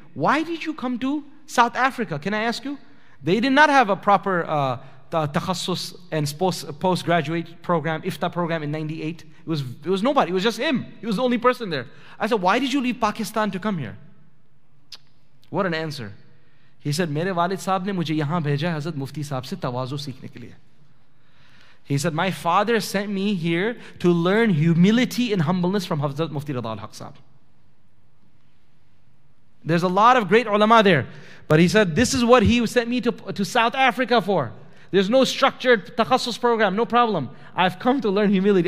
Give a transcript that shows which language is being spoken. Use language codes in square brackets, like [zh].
[en] Why did you come to South Africa? Can I ask you? They did not have a proper takhassus and postgraduate program, IFTA program in 98. It was nobody. It was just him. He was the only person there. I said, why did you leave Pakistan to come here? What an answer. He said, [ur] میرے والد صاحب نے مجھے یہاں بھیجا حضرت مفتی صاحب سے تواضع سیکھنے کے لیے۔ [en] He said, my father sent me here to learn humility and humbleness from Hazrat Mufti Radha al-Haq sahab. There's a lot of great ulama there. But he said, this is what he sent me to South Africa for. There's no structured takhassus program, no problem. I've come to learn humility.